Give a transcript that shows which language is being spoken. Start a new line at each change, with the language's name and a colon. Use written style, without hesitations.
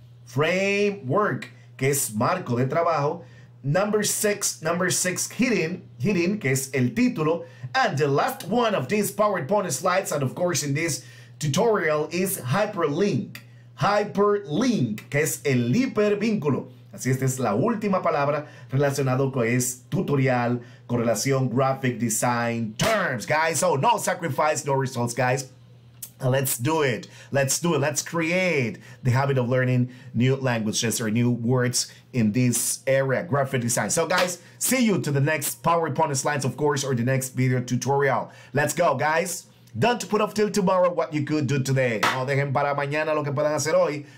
Spanish: Framework, que es marco de trabajo.
English: Number six, hidden,
Spanish: que es el título.
English: And the last one of these PowerPoint slides, and of course in this tutorial, is hyperlink.
Spanish: Hyperlink, que es el hipervínculo. Así, esta es la última palabra relacionada con este tutorial con relación graphic design terms, guys.
English: So, no sacrifice, no results, guys. Let's do it. Let's create the habit of learning new languages or new words in this area, graphic design. So, guys, see you to the next PowerPoint slides, of course, or the next video tutorial. Let's go, guys. Don't put off till tomorrow what you could do today.
Spanish: No dejen para mañana lo que puedan hacer hoy.